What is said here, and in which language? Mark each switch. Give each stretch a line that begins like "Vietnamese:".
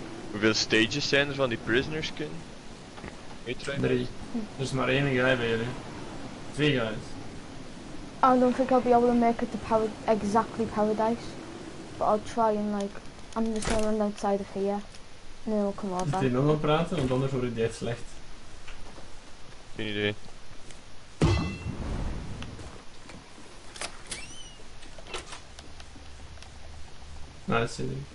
Dutch: Hoeveel stages zijn er van die prisoner skin? 3. Er is maar één guy bij jullie.
English: 2 guys. I don't think I'll be able to make it to exactly paradise. But I'll try and like, I'm just gonna run outside of here. And then I'll come over.
Dutch: Moet je nog maar praten, want anders wordt het echt slecht. Geen idee.
English: Nice, dude.